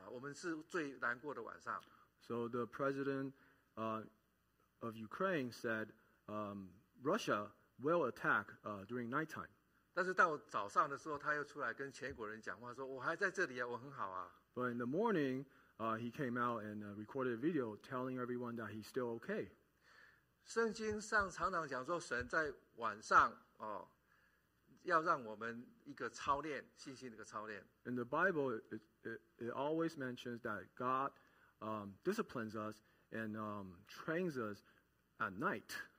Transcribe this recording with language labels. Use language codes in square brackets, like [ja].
[zh] 你看那个，他说神晚上哦，那个这个乌克兰的总统就讲说哦，你看这个俄军他晚上会来夜袭啊，我们是最难过的晚上。 [en] So the president of Ukraine said, Russia will attack during nighttime. [zh] 但是到早上的时候，他又出来跟全国人讲话说，我还在这里啊，我很好啊。 [en] But in the morning, he came out and recorded a video telling everyone that he's still okay. [zh] 圣经上常常讲说，神在晚上要让我们一个操练，信心的一个操练。 [en] In the Bible, it always mentions that God disciplines us and trains us at night.